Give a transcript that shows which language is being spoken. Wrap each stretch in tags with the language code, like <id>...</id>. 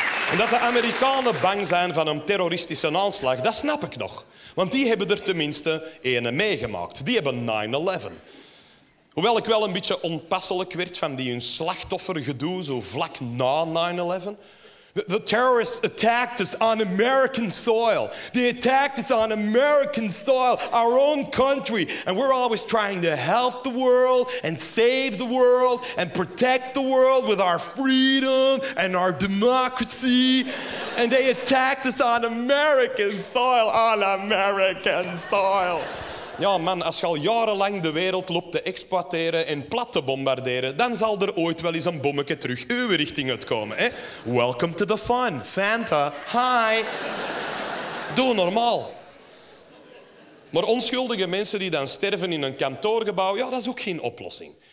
<nl>En dat de Amerikanen bang zijn van een terroristische aanslag, dat snap ik nog. Want die hebben er tenminste ene meegemaakt. Die hebben 9/11. Hoewel ik wel een beetje onpasselijk werd van die hun slachtoffergedoe zo vlak na 9/11.</nl> <en>The terrorists attacked us on American soil. They attacked us on American soil, our own country. And we're always trying to help the world and save the world and protect the world with our freedom and our democracy. And they attacked us on American soil, on American soil.</en> <nl>Ja, man, als je al jarenlang de wereld loopt te exploiteren en plat te bombarderen, dan zal er ooit wel eens een bommetje terug uw richting uitkomen, hè?</nl> <en>Welcome to the fun. Fanta, hi.</en> <nl>Doe normaal. Maar onschuldige mensen die dan sterven in een kantoorgebouw, ja, dat is ook geen oplossing.</nl>